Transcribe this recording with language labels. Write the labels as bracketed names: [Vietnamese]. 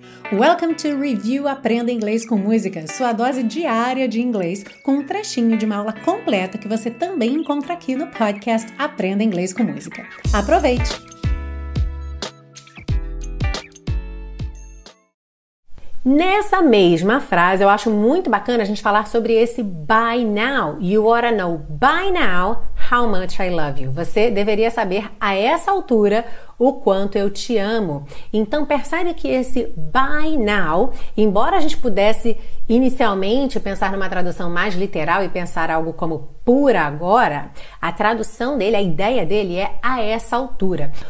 [English] Welcome to Review [Portuguese] Aprenda Inglês com Música, sua dose diária de inglês, com um trechinho de uma aula completa que você também encontra aqui no podcast Aprenda Inglês com Música. Aproveite! Nessa mesma frase, eu acho muito bacana a gente falar sobre esse by now. [English] You ought to know by now how much I love you. [Portuguese] Você deveria saber a essa altura o quanto eu te amo. Então percebe que esse by now, embora a gente pudesse inicialmente pensar numa tradução mais literal e pensar algo como por agora, a tradução dele, a ideia dele é a essa altura.